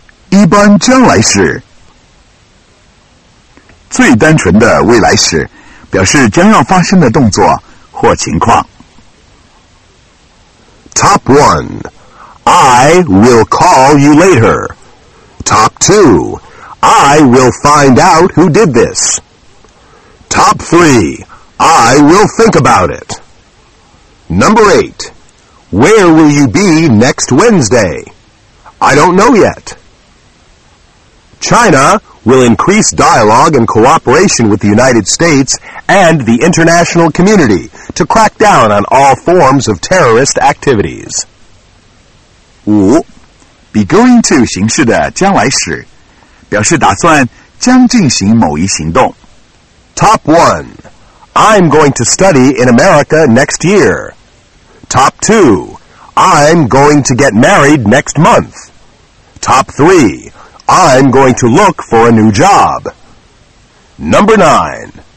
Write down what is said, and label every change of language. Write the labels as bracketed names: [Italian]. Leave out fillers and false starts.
[Chinese] 一般将来时最单纯的未来时表示将要发生的动作或情况 [English] Top 1 I will call you later Top 2 I will find out who did this Top 3 I will think about it Number 8 Where will you be next WednesdayI don't know yet. China will increase dialogue and cooperation with the United States and the international community to crack down on all forms of terrorist activities. [Chinese] 五 be going to 形式的将来时表示打算将进行某一行动。 [English] Top 1. I'm going to study in America next year. Top 2. I'm going to get married next month. Top 3. I'm going to look for a new job. Number 9.